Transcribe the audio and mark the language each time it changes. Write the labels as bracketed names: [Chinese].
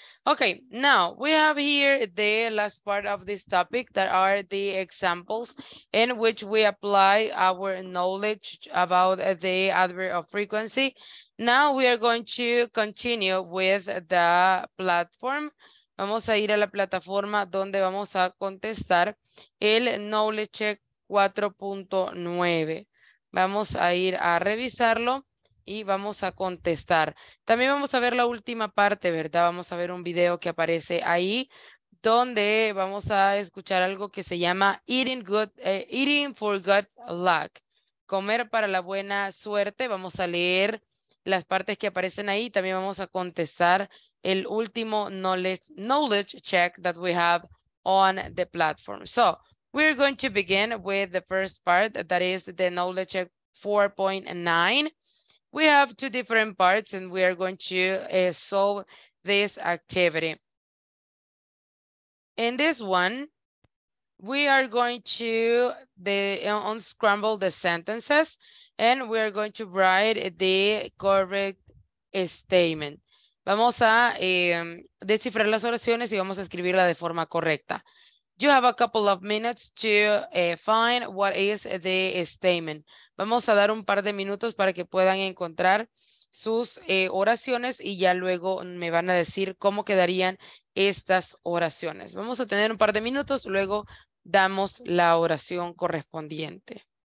[English] Okay, now we have here the last part of this topic that are the examples in which we apply our knowledge about the adverb of frequency. Now we are going to continue with the platform. [Spanish] Vamos a ir a la plataforma donde vamos a contestar el knowledge check 4.9. Vamos a ir a revisarlo y vamos a contestar. También vamos a ver la última parte, ¿verdad? Vamos a ver un video que aparece ahí donde vamos a escuchar algo que se llama eating for good luck. Comer para la buena suerte. Vamos a leer las partes que aparecen ahí. También vamos a contestar el último knowledge check that we have on the platform. [English] So, we're going to begin with the first part, that is the knowledge check 4.9. We have two different parts and we are going to solve this activity. In this one, we are going to unscramble the sentences and we are going to write the correct statement. [Spanish] Vamos a descifrar las oraciones y vamos a escribirla de forma correcta. [English] You have a couple of minutes to find what is the statement. [Spanish] Vamos a dar un par de minutos para que puedan encontrar sus oraciones y ya luego me van a decir cómo quedarían estas oraciones. Vamos a tener un par de minutos, luego damos la oración correspondiente.